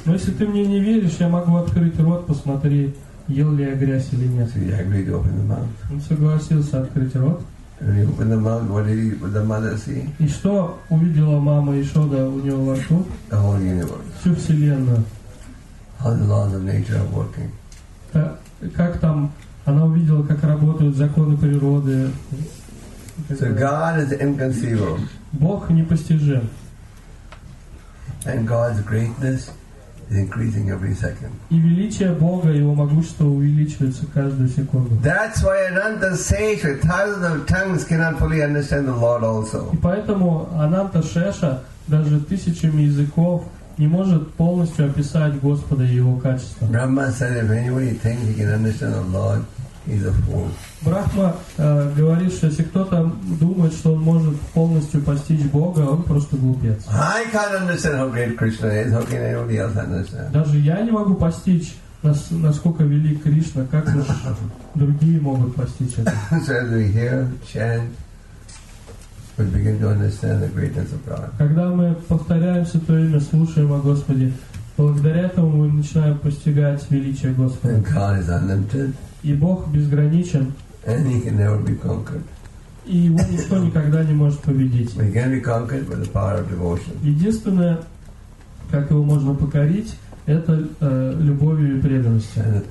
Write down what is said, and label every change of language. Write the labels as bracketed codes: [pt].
[ru] Но если ты мне не веришь, я могу открыть рот, посмотри, ел ли я грязь или нет. [en] So he agreed to open the mouth. [ru] Он согласился открыть рот. [en] And he opened the mouth, what did the mother see? [ru] И что увидела мама Ишода у него во рту? [en] The whole universe. [ru] Всю вселенную. [en] How the laws of nature are working. [ru] Как там, она увидела, как работают законы природы. [en] So God is inconceivable. [ru] Бог непостижим. [en] And God's greatness is increasing every second. [ru] И величие Бога, его могущество увеличивается каждую секунду. [en] That's why Ananta Sesha, with thousands of tongues, cannot fully understand the Lord also. [ru] И поэтому Ананта Шеша даже тысячами языков не может полностью описать Господа и Его качества. [en] Brahma said, if anybody thinks he can understand the Lord, he's a fool. [ru] Брахма говорит, что если кто-то думает, что он может полностью постичь Бога, он просто глупец. [en] I can't understand how great Krishna is. How can anybody else understand? [ru] Даже я не могу постичь, насколько велик Кришна, как другие могут постичь это. [en] So as we hear, chant, we begin to understand the greatness of God. [ru] Когда мы повторяем Святое Имя, слушаем о Господе, благодаря этому мы начинаем постигать величие Господа. [en] And God is unlimited. [ru] И Бог безграничен. [en] And He can never be conquered. [ru] И Его никто никогда не может победить. [en] We can be conquered by the power of devotion. [ru] Единственное, как Его можно покорить, это любовью и преданностью.